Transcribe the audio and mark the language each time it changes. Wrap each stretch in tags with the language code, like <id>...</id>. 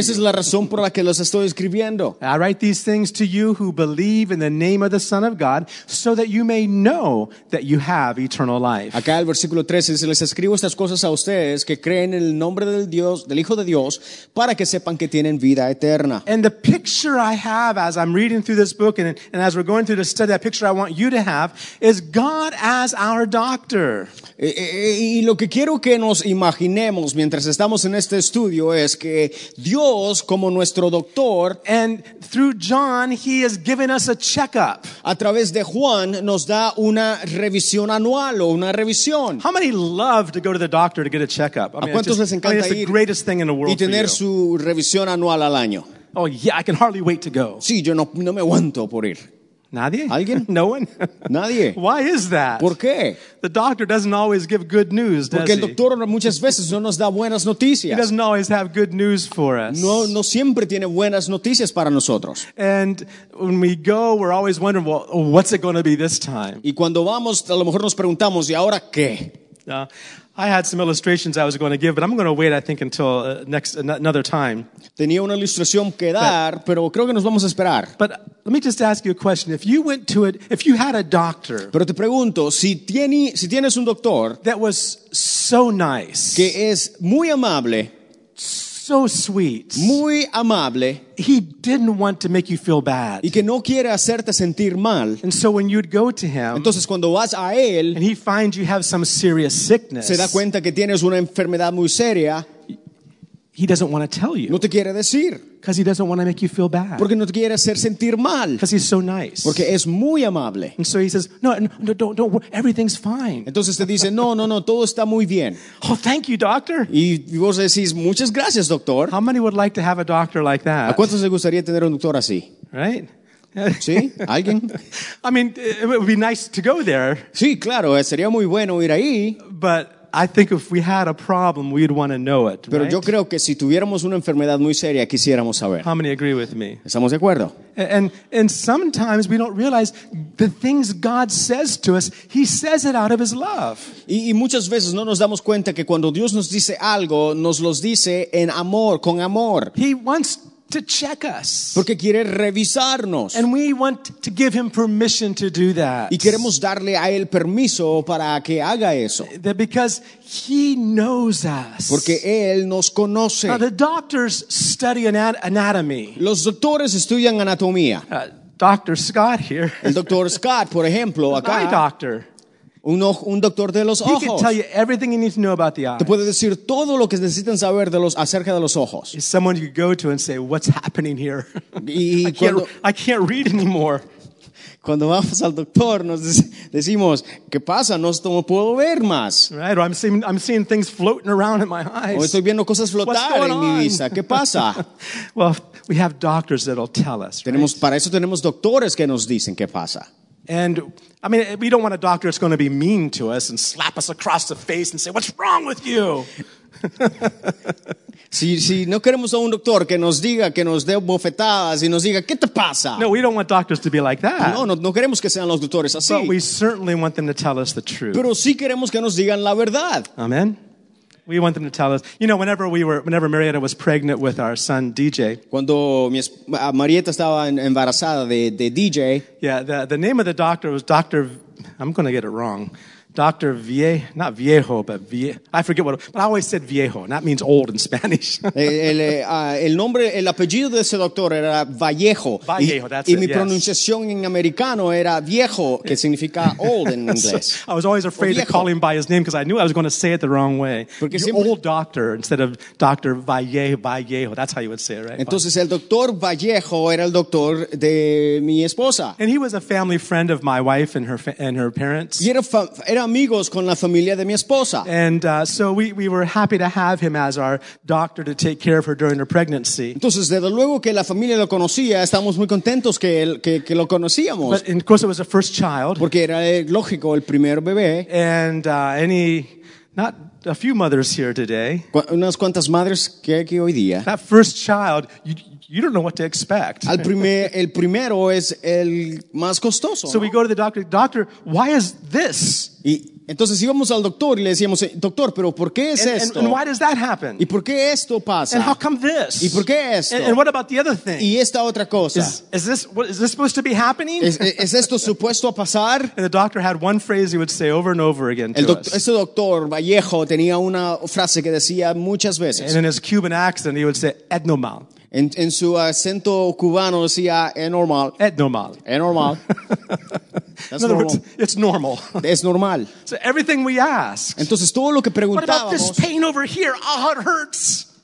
<es>Esa es la razón por la que los estoy escribiendo.</es> <en>I write these things to you who believe in the name of the Son of God, so that you may know that you have eternal life.</en> <es>Acá el versículo 13 dice, les escribo estas cosas a ustedes que creen en el nombre del Dios, del Hijo de Dios, para que sepan que tienen vida eterna.</es> <en>And the picture I have as I'm reading through this book and as we're going through the study, that picture I want you to have is God as our doctor.</en> <es>Y lo que quiero que nos imaginemos mientras estamos en este estudio es que Dios como nuestro doctor,</es> <en>and through John he has given us a checkup.</en> <es>A través de Juan nos da una revisión anual o una revisión.</es> <en>How many love to go to the doctor to get a checkup?</en> <es>¿A cuántos les encanta ir?</es> <en>It's the greatest thing in the world.</en> <es>Y tener su revisión anual al año.</es> <en>Oh yeah, I can hardly wait to go.</en> <es>Sí, yo no me aguanto por ir. Nadie? ¿Alguien?</es> <en>No one?</en> <es>Nadie.</es> <en>Why is that?</en> <es>¿Por qué?</es> <en>The doctor doesn't always give good news, does he?</en> <es>El doctor muchas veces no nos da buenas noticias.</es> <en>He doesn't always have good news for us.</en> <es>No siempre tiene buenas noticias para nosotros.</es> <en>And when we go, we're always wondering, well, what's it going to be this time?</en> <es>Y cuando vamos, a lo mejor nos preguntamos, ¿y ahora qué?</es> <en>I had some illustrations I was going to give, but I'm going to wait, I think, until another time.</en> <es>Tenía una ilustración que dar, pero creo que nos vamos a esperar.</es> <en>But let me just ask you a question. If you went to it, if you had a doctor,</en> <es>pero te pregunto, si tienes un doctor</es> <en>that was so nice,</en> <es>que es muy amable,</es> <en>so sweet,</en> <es>muy amable,</es> <en>he didn't want to make you feel bad,</en> <es>y que no quiere hacerte sentir mal,</es> <en>and so when you'd go to him,</en> <es>entonces cuando vas a él,</es> <en>and he finds you have some serious sickness,</en> <es>se da cuenta que tienes una enfermedad muy seria,</es> <en>he doesn't want to tell you.</en> <es>No te quiere decir.</es> <en>Because he doesn't want to make you feel bad.</en> <es>Porque no te quiere hacer sentir mal.</es> <en>Because he's so nice.</en> <es>Porque es muy amable.</es> <en>And so he says, no, don't, everything's fine.</en> <es>Entonces te dice, no, todo está muy bien.</es> <en>Oh, thank you, doctor.</en> <es>Y vos decís, muchas gracias, doctor.</es> <en>How many would like to have a doctor like that?</en> <es>¿A cuántos les gustaría tener un doctor así?</es> <en>Right?</en> <es>¿Sí? ¿Alguien?</es> <en>I mean, it would be nice to go there.</en> <es>Sí, claro, sería muy bueno ir ahí.</es> <en>But I think if we had a problem, we'd want to know it.</en> <es>Pero</es> <en>right?</en> <es>Yo creo que si tuviéramos una enfermedad muy seria, quisiéramos saber.</es> <en>How many agree with me?</en> <es>¿Estamos de acuerdo?</es> <en>And sometimes we don't realize the things God says to us, he says it out of his love.</en> <es>Y muchas veces no nos damos cuenta que cuando Dios nos dice algo, nos los dice en amor, con amor.</es> <en>He wants to check us.</en> <es>Porque quiere revisarnos.</es> <en>And we want to give him permission to do that.</en> <es>Y queremos darle a él permiso para que haga eso.</es> <en>That because he knows us.</en> <es>Porque él nos conoce.</es> <en>Now the doctors study anatomy.</en> <es>Los doctores estudian anatomía.</es> <en>Dr. Scott here.</en> <es>El doctor Scott, por ejemplo, acá.</es> <en>My doctor.</en> <es>un doctor de los ojos.</es> <en>He can tell you everything you need to know about the eyes.</en> <es>Te puede decir todo lo que necesitan saber de los acerca de los ojos.</es> <en>It's someone you could go to and say, "What's happening here?" I can't read anymore.</en> <es>Cuando vamos al doctor, nos decimos, ¿qué pasa? No puedo ver más.</es> <en>Right, or I'm seeing things floating around in my eyes.</en> <es>O estoy viendo cosas flotar en mi vista. ¿Qué pasa?</es> <en>Well, we have doctors that'll tell us.</en> <es>Tenemos,</es> <en>right?</en> <es>Para eso tenemos doctores que nos dicen qué pasa.</es> <en>And I mean, we don't want a doctor that's going to be mean to us and slap us across the face and say, "What's wrong with you?"</en> <es>Si no queremos a un doctor que nos diga, que nos dé bofetadas y nos diga, ¿qué te pasa?</es> <en>No, we don't want doctors to be like that.</en> <es>No queremos que sean los doctores así.</es> <en>But we certainly want them to tell us the truth.</en> <es>Pero sí queremos que nos digan la verdad.</es> <en>Amen. We want them to tell us. You know, whenever Marietta was pregnant with our son DJ.</en> <es>Cuando Marietta estaba embarazada de DJ.</es> <en>Yeah, the name of the doctor was Dr. I'm going to get it wrong. Dr. Viejo, not Viejo, but Viejo. I forget what, but I always said Viejo, and that means old in Spanish.</en> <es>El nombre, el apellido de ese doctor era Vallejo.</es> <en>Vallejo, that's</en> <es>y</es> <en>it,</en> <es>mi</es> <en>yes.</en> <es>Pronunciación en americano era Viejo, que significa</es> <en>old in English. So I was always afraid to call him by his name because I knew I was going to say it the wrong way.</en> <es>Porque</es> <en>your</en> <es>siempre,</es> <en>old doctor instead of Dr. Vallejo, Vallejo, that's how you would say it, right?</en> <es>Entonces, el doctor Vallejo era el doctor de mi esposa.</es> <en>And he was a family friend of my wife and her parents.</en> <es>Y era amigos con la familia de mi esposa.</es> <en>And so we were happy to have him as our doctor to take care of her during her pregnancy.</en> <es>Entonces, desde luego que la familia lo conocía, estamos muy contentos que él que lo conocíamos.</es> <en>But of course it was the first child.</en> <es>Porque era lógico el primer bebé.</es> <en>And a few mothers here today.</en> <es>Unas cuantas madres que hay aquí hoy día.</es> <en>That first child, you don't know what to expect.</en> <es>El primero es el más costoso.</es> <en>So we go to the doctor. Doctor, why is this?</en> <es>Y entonces íbamos al doctor y le decíamos, doctor, pero ¿por qué es esto?</es> <en>And why does that happen?</en> <es>¿Y por qué esto pasa?</es> <en>And how come this?</en> <es>¿Y por qué esto?</es> <en>And what about the other thing?</en> <es>¿Y esta otra cosa?</es> <en>Is this supposed to be happening?</en> <es>¿Es esto supuesto a pasar?</es> <en>And the doctor had one phrase he would say over and over again to us.</en> <es>Ese doctor Vallejo tenía una frase que decía muchas veces.</es> <en>And in his Cuban accent he would say,</en> <es>"Es normal." En su acento cubano decía, "Es normal." Es normal. Es normal.</es> <en>That's in other normal. Words, it's normal.</en> <es>Es normal.</es> <en>So everything we ask.</en> <es>Entonces todo lo que preguntábamos.</es> <en>What about this pain over here? Oh, it hurts.</en>